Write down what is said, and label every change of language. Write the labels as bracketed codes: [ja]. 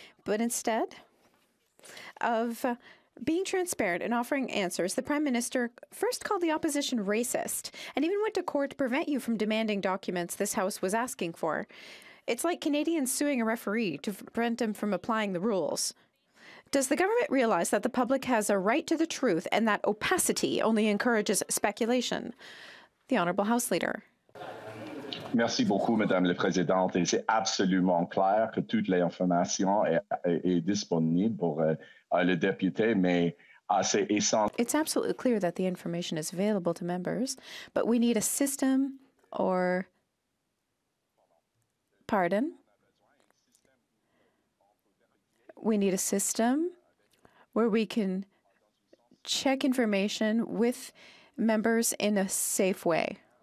[en] But instead of being transparent and offering answers, the Prime Minister first called the opposition racist and even went to court to prevent you from demanding documents this House was asking for. It's like Canadians suing a referee to prevent him from applying the rules. Does the government realize that the public has a right to the truth and that opacity only encourages speculation? The Honourable House Leader. [fr] Merci beaucoup, Madame la Présidente. Et c'est absolument clair que toute l'information est disponible pour le député, mais c'est essentiel. [en] It's absolutely clear that the information is available to members, but we need a system or... Pardon? We need a system where we can check information with members in a safe way.